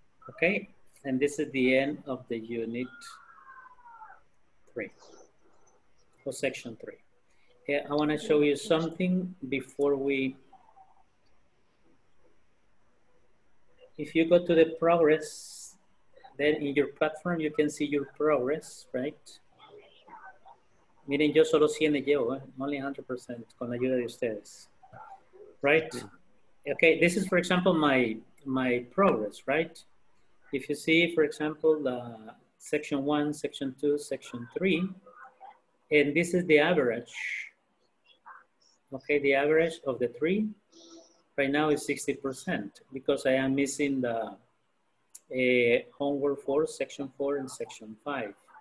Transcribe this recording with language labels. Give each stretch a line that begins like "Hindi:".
English: Okay, and this is the end of the unit three or section three. Yeah, I want to show you something before we, if you go to the progress, then in your platform, you can see your progress, right?
Spanish: Miren, yo solo 100 le llevo,
English: only 100%
Spanish: con la ayuda de ustedes, right?
English: Okay, this is, for example, my progress, right? If you see, for example, section one, section two, section three, and this is the average. Okay, the average of the three right now is 60% because I am missing the homework for section four and section five.